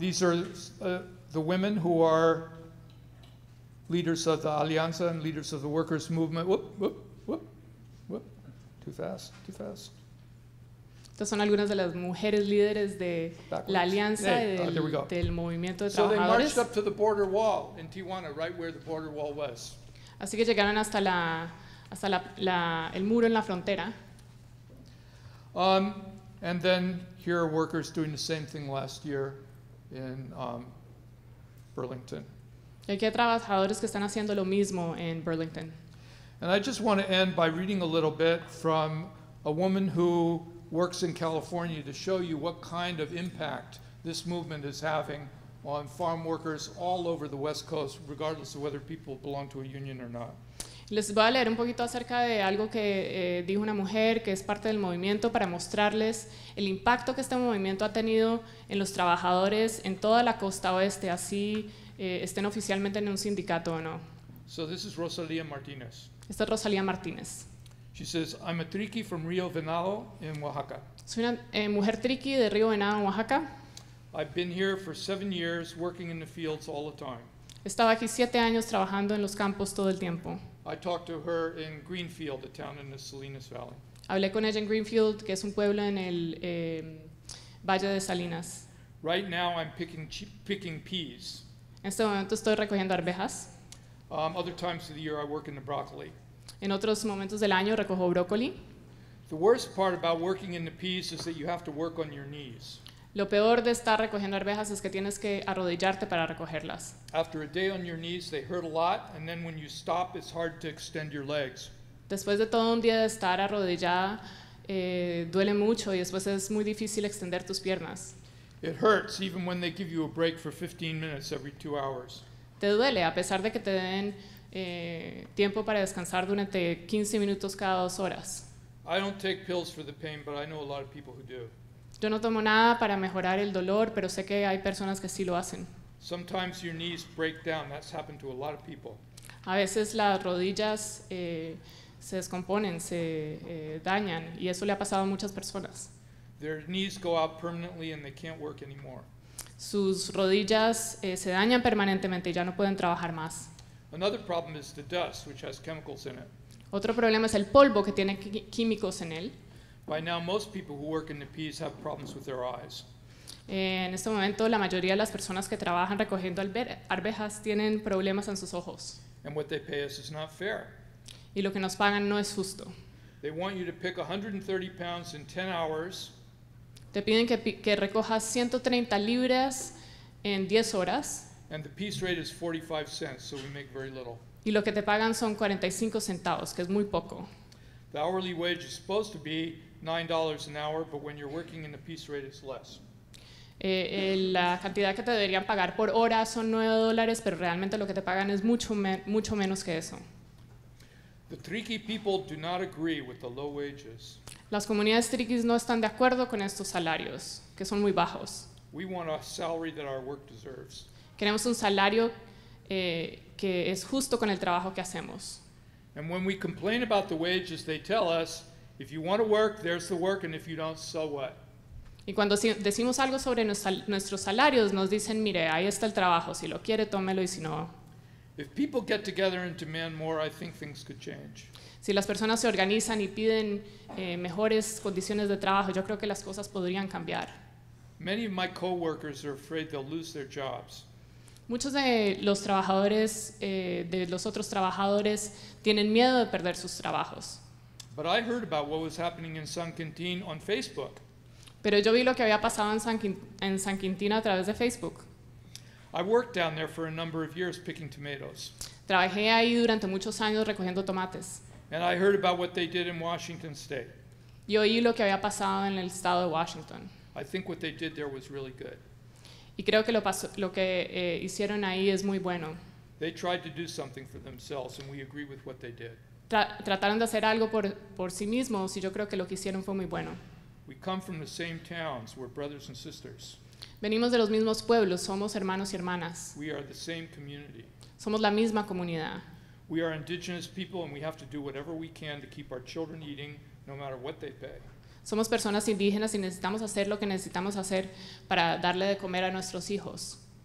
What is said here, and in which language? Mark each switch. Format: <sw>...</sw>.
<en>These are the women who are leaders of the Alianza and leaders of the workers' movement. Whoop. Too fast.</en> <es>Estas son algunas de las mujeres líderes de la Alianza del Movimiento de Trabajadores.</es> <en>So they marched up to the border wall in Tijuana, right where the border wall was.</en> <es>Así que llegaron hasta el muro en la frontera.</es> <en>And then here are workers doing the same thing last year in Burlington.</en> <es>Aquí hay trabajadores que están haciendo lo mismo en Burlington.</es> <en>And I just want to end by reading a little bit from a woman who works in California to show you what kind of impact this movement is having on farm workers all over the West Coast, regardless of whether people belong to a union or not.</en> <es>Les voy a leer un poquito acerca de algo que dijo una mujer que es parte del movimiento para mostrarles el impacto que este movimiento ha tenido en los trabajadores en toda la costa oeste, así estén oficialmente en un sindicato o no.</es> <en>So this is Rosalía Martínez.</en> <es>Esta es Rosalía Martínez.</es> <en>She says, I'm a triqui from Río Venado in Oaxaca.</en> <es>Soy una mujer triqui de Río Venado en Oaxaca.</es> <en>I've been here for 7 years working in the fields all the time.</en> <es>Estaba aquí 7 años trabajando en los campos todo el tiempo.</es> <en>I talked to her in Greenfield, a town in the Salinas Valley.</en> <es>Hablé con ella en Greenfield, que es un pueblo en el Valle de Salinas.</es> <en>Right now I'm picking peas.</en> <es>En este momento estoy recogiendo arvejas.</es> <en>Other times of the year I work in the broccoli.</en> <es>En otros momentos del año recojo brócoli.</es> <en>The worst part about working in the peas is that you have to work on your knees.</en> <es>Lo peor de estar recogiendo arvejas es que tienes que arrodillarte para recogerlas.</es> <en>After a day on your knees, they hurt a lot, and then when you stop, it's hard to extend your legs.</en> <es>Después de todo un día de estar arrodillada, duele mucho y después es muy difícil extender tus piernas.</es> <en>It hurts even when they give you a break for 15 minutes every 2 hours.</en> <es>Te duele a pesar de que te den tiempo para descansar durante 15 minutos cada 2 horas.</es> <en>I don't take pills for the pain, but I know a lot of people who do.</en> <es>Yo no tomo nada para mejorar el dolor, pero sé que hay personas que sí lo hacen.</es> <en>Sometimes your knees break down. That's happened to a lot of people.</en> <es>A veces las rodillas se descomponen, se dañan, y eso le ha pasado a muchas personas.</es> <en>Their knees go out permanently and they can't work anymore.</en> <es>Sus rodillas se dañan permanentemente y ya no pueden trabajar más.</es> <en>Another problem is the dust, which has chemicals in it.</en> <es>Otro problema es el polvo que tiene químicos en él.</es> <en>By now, most people who work in the peas have problems with their eyes.</en> <es>En este momento, la mayoría de las personas que trabajan recogiendo arvejas tienen problemas en sus ojos.</es> <en>And what they pay us is not fair.</en> <es>Y lo que nos pagan no es justo.</es> <en>They want you to pick 130 pounds in 10 hours.</en> <es>Te piden que recojas 130 libras en 10 horas.</es> <en>And the piece rate is 45 cents, so we make very little.</en> <es>Y lo que te pagan son 45 centavos, que es muy poco.</es> <en>The hourly wage is supposed to be $9 an hour, but when you're working in the piece rate, it's less.</en> <es>La cantidad que te deberían pagar por hora son $9, pero realmente lo que te pagan es mucho menos que eso.</es> <en>The Triqui people do not agree with the low wages.</en> <es>Las comunidades triquis no están de acuerdo con estos salarios, que son muy bajos.</es> <en>We want a salary that our work deserves.</en> <es>Queremos un salario que es justo con el trabajo que hacemos.</es> <en>And when we complain about the wages, they tell us, if you want to work, there's the work, and if you don't, so what?</en> <es>Y cuando decimos algo sobre nuestros salarios, nos dicen, mire, ahí está el trabajo, si lo quiere, tómelo, y si no.</es> <en>If people get together and demand more, I think things could change.</en> <es>Si las personas se organizan y piden mejores condiciones de trabajo, yo creo que las cosas podrían cambiar.</es> <en>Many of my coworkers are afraid they'll lose their jobs.</en> <es>Muchos de los trabajadores, de los otros trabajadores, tienen miedo de perder sus trabajos.</es> <en>But I heard about what was happening in San Quintín on Facebook.</en> <es>Pero yo vi lo que había pasado en San Quintín a través de Facebook.</es> <en>I worked down there for a number of years picking tomatoes.</en> <es>Trabajé ahí durante muchos años recogiendo tomates.</es> <en>And I heard about what they did in Washington State.</en> <es>Y oí lo que había pasado en el estado de Washington.</es> <en>I think what they did there was really good.</en> <es>Y creo que hicieron ahí es muy bueno.</es> <en>They tried to do something for themselves, and we agree with what they did.</en> <es>Trataron de hacer algo por sí mismos, y yo creo que lo que hicieron fue muy bueno.</es> <en>We come from the same towns. We're brothers and sisters.</en> <es>Venimos de los mismos pueblos. Somos hermanos y hermanas.</es> <en>We are the same community.</en> <es>Somos la misma comunidad.</es> <en>We are indigenous people, and we have to do whatever we can to keep our children eating, no matter what they pay.</en> <es>Somos personas indígenas y necesitamos hacer lo que necesitamos hacer para darle de comer a nuestros hijos.</es>